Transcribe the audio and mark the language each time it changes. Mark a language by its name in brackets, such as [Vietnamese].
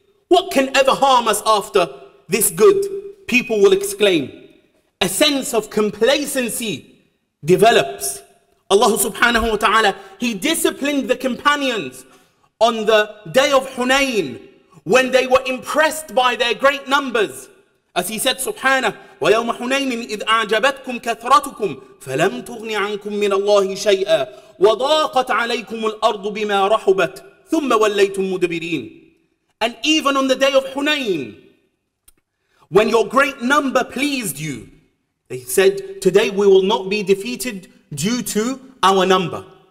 [English] What can ever harm us after this good? People will exclaim. A sense of complacency develops. Allah subhanahu wa ta'ala, He disciplined the companions on the day of Hunayn when they were impressed by their great numbers. As He said, subhanahu, [Arabic] وَيَوْمَ حُنَيْنٍ إِذْ أَعْجَبَتْكُمْ كَثْرَتُكُمْ فَلَمْ تُغْنِ عَنْكُمْ مِنَ اللَّهِ شَيْئًا وَضَاقَتْ عَلَيْكُمُ الْأَرْضُ بِمَا رَحُبَتْ ثُمَّ وَلَّيْتُمْ مُدْبِرِينَ. [English] And even on the day of Hunayn, when your great number pleased you, they said, today we will not be defeated due to our number.